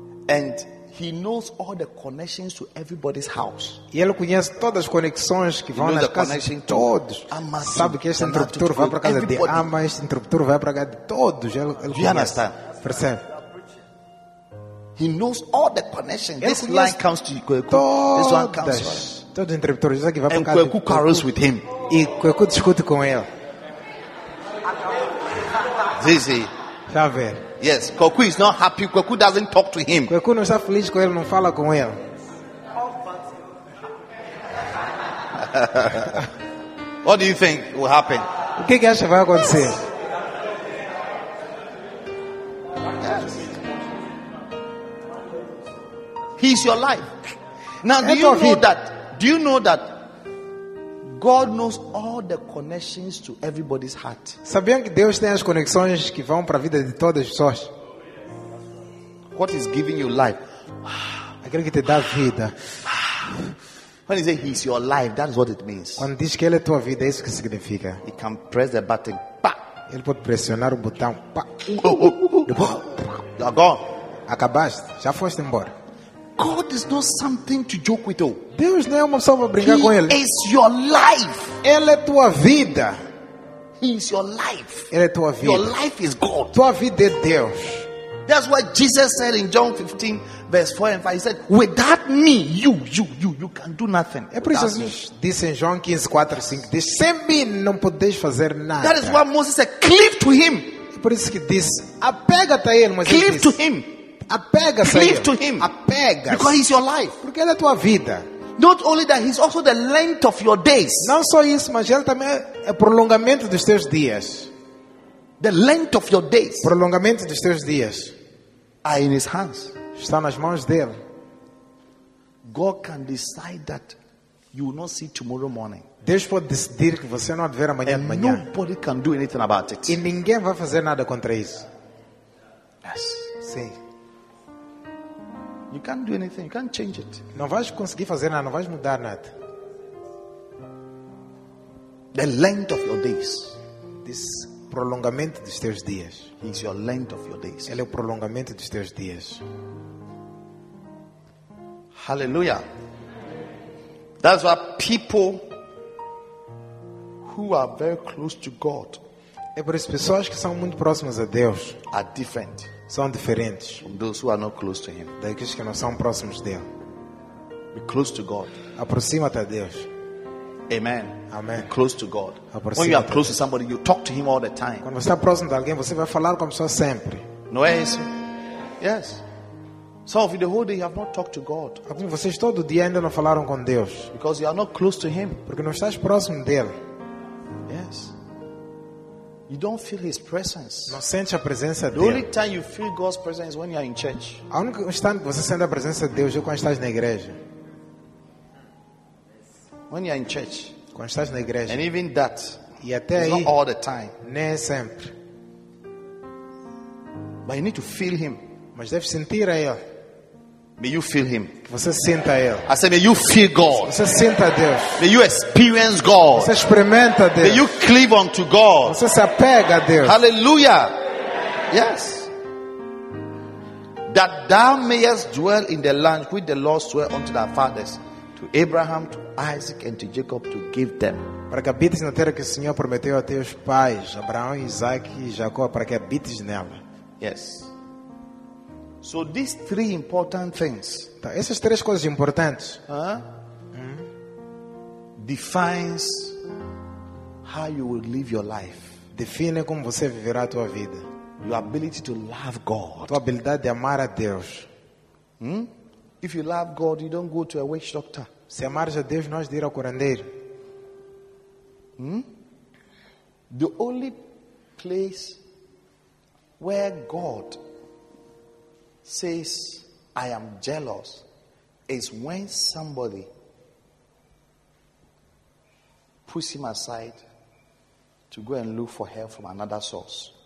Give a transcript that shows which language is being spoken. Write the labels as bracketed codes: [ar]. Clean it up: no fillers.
[en] And he knows all the connections to everybody's house. [pt] E ele conhece todas as conexões que vão nas casas de todos. Sabe que este interruptor vai para casa de Ama, este interruptor vai para casa de todos. Ele conhece. Percebe? [en] He knows all the connections. This line comes to Kweku. This one comes to him. [pt] Todo interruptor. [en] And Kweku quarrels with him. [pt] E Kweku discute com ele. Zizi. Já vê. [en] Yes, Kweku is not happy. Kweku doesn't talk to him. [pt] Kweku não está feliz com ele, não fala com ele. [en] What do you think will happen? [pt] O que acha vai acontecer? [en] Yes. He is your life. Now, do you know that? Do you know that? God knows all the connections to everybody's heart. [pt] Sabiam que Deus tem as conexões que vão para a vida de todas as pessoas? [en] What is giving you life? [pt] Aquele que te dá vida. [en] When he says he's your life, that's what it means. [pt] Quando diz que ele é tua vida, isso que significa. [en] He can press the button. Pa. [pt] Ele pode pressionar o botão. Pa. [en] You are gone. [pt] Acabaste. Já foste embora. [en] God is not something to joke with. [pt] Deus não é uma pessoa para brincar com ele. [en] He is your life. [pt] Ele é tua vida. [en] He is your life. [pt] Ele é tua vida. [en] Your life is God. [pt] Tua vida é Deus. [en] That's what Jesus said in John 15, verse 4 and 5. He said, without me, you can do nothing. [pt] É por isso que Jesus disse em João 15, 4 e 5. Sem mim, não podes fazer nada. [en] That is why Moses said, cleave to him. [pt] por isso que diz, apega-te a ele, Moisés. [en] Cleave to him. [pt] Apega-te a [en] ele. To him. [pt] Apega-te. [en] Because he's your life. [pt] Porque ele é a tua vida. [en] Not only that, he's also the length of your days. [pt] Não só isso, mas ele também é o prolongamento dos teus dias. [en] The length of your days. [pt] Prolongamento dos teus dias. [en] Are in his hands. [pt] Está nas mãos dele. [en] God can decide that you will not see tomorrow morning. [pt] Deus pode decidir que você não haverá amanhã de manhã. [en] Nobody can do anything about it. [pt] E ninguém vai fazer nada contra isso. [en] Yes. [pt] Sim. [en] You can't do anything. You can't change it. [pt] Não vais conseguir fazer nada. Não vais mudar nada. [en] The length of your days. [pt] This prolongamento dos teus dias. [en] Is your length of your days. [pt] Ele é o prolongamento dos teus dias. Hallelujah. [en] That's why people who are very close to God. [pt] É por isso pessoas que são muito próximas a Deus. [en] Are different. [pt] São diferentes. [en] From those who are not close to Him. [pt] Daqueles que não são próximos dele. [en] Be close to God. [pt] Aproxima-te a Deus. Amen. Amen. [en] Be close to God. [pt] Aproxima-te. [en] When you are close to somebody, you talk to Him all the time. [pt] Quando você está próximo de alguém, você vai falar com a pessoa sempre. Não é isso? Yes. [en] Some of you, the whole day, you have not talked to God. [pt] Vocês todo dia ainda não falaram com Deus. [en] Because you are not close to Him. [pt] Porque não estás próximo dele. [en] Yes. You don't feel His presence. [pt] Não sente a presença dele. [en] The only time you feel God's presence is when you are in church. [pt] A única instante que você sente a presença de Deus é quando estás na igreja. [en] When you are in church. [pt] Quando estás na igreja. [en] And even that. [pt] E até aí. [en] Not all the time. [pt] Nem sempre. [en] But you need to feel Him. [pt] Mas deve sentir a Ele. [en] May you feel Him. [pt] Que você sinta a Ele. [en] I said, may you feel God. [pt] Você sinta a Deus. [en] May you experience God. [pt] Você experimenta a Deus. [en] May you cleave unto God. [pt] Você se apega a Deus. [en] Hallelujah. Yes. That thou mayest dwell in the land which the Lord swore unto thy fathers, to Abraham, to Isaac, and to Jacob, to give them. [pt] Para que habites na terra que o Senhor prometeu a teus pais, Abraão, Isaac e Jacó, para que habites nela. [en] Yes. So these three important things. [pt] Então, essas três coisas importantes. [en] Defines how you will live your life. [pt] Define como você viverá a tua vida. [en] Your ability to love God. [pt] Tua habilidade de amar a Deus. [en] If you love God, you don't go to a witch doctor. [pt] Se amares a Deus, não has de ir ao curandeiro. [en] The only place where God says I am jealous is when somebody puts him aside to go and look for help from another source.